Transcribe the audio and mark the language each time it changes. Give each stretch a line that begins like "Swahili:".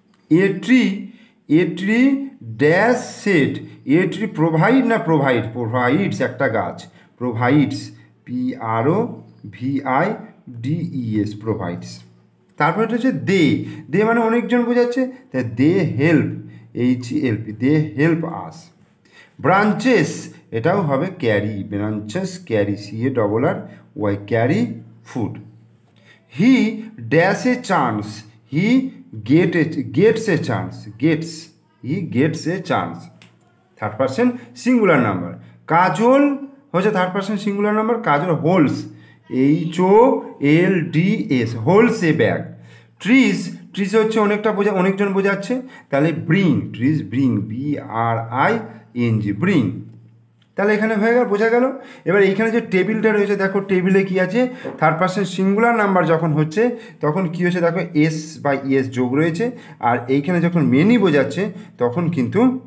English: a tree dash said, a tree provide না provide, provides
Bangla: একটা গাছ,
English: Provides PROVIDES provides. তারপরে হচ্ছে they, they
Bangla: মানে অনেকজন বোঝাচ্ছে, তাই
English: They help, H-E-L-P, they help us. Branches,
Bangla: এটাও হবে
English: carry, branches carry, C-A-R-R-Y, carry food. He dash a chance, he gets a chance, gets, he gets a chance. Third person, singular number. Kajol, হচ্ছে third person, singular number, Kajol holds, H-O-L-D-S, holds a bag. Trees, trees
Bangla: হচ্ছে অনেকটা বোঝা, অনেকজন বোঝাচ্ছে, তাহলে
English: bring, trees bring, B-R-I-N-G, bring.
Bangla: তাহলে এখানে হয়ে গেল বোঝা গেল এবার এখানে যে টেবিলটা রয়েছে দেখো টেবিলে কি আছে থার্ড পারসন সিঙ্গুলার নাম্বার যখন হচ্ছে তখন কি হচ্ছে দেখো এস বাই এস যোগ রয়েছে আর এইখানে যখন মেনি বোঝাচ্ছে তখন কিন্তু